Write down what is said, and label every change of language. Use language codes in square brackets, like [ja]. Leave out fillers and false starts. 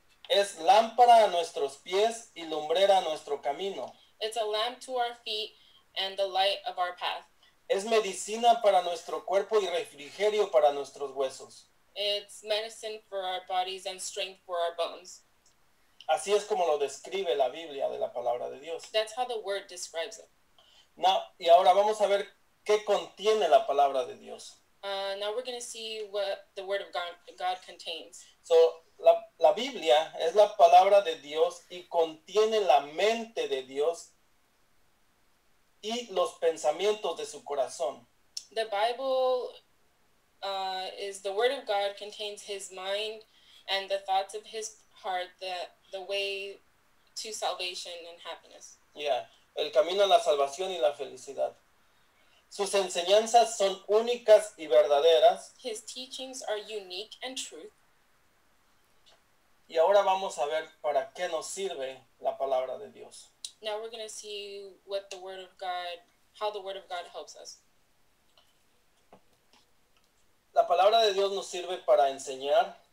[es] Es lámpara a nuestros pies y lumbrera a nuestro camino. [en] It's a lamp to our feet and the light of our path. [es] Es medicina para nuestro cuerpo y refrigerio para nuestros huesos. [en] It's medicine for our bodies and strength for our bones. [es] Así es como lo describe la Biblia de la palabra de Dios. [en] That's how the word describes it. [es] Now, y ahora vamos a ver qué contiene la palabra de Dios. [en] Now we're going to see what the word of God contains. [es] So, la Biblia es la palabra de Dios y contiene la mente de Dios y los pensamientos de su corazón. [en] The Bible is the word of God, contains his mind and the thoughts of his heart, the way to salvation and happiness. [es] Yeah, el camino a la salvación y la felicidad. Sus enseñanzas son únicas y verdaderas. [en] His teachings are unique and true. [es] Y ahora vamos a ver para qué nos sirve la palabra de Dios. [en] Now we're going to see how the word of God helps us. [es] La palabra de Dios nos sirve para enseñar.